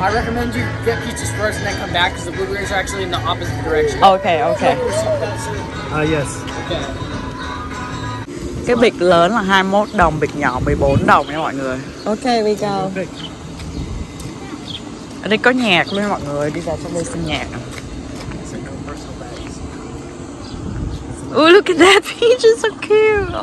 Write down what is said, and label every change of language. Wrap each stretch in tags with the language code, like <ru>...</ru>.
<en>I recommend you get pizzas first and then come back because the blueberries are actually in the opposite direction. Okay, okay. Yes. Okay.</en> <vi>Cái bịch lớn là 21 đồng, bịch nhỏ 14 đồng nha mọi người.</vi> <en>Okay, we go.</en> <vi>Ở đây có nhạc luôn mọi người, đi ra trong đây xem nhạc.</vi> <en>Ooh, look at that peach, it's so cute.</en>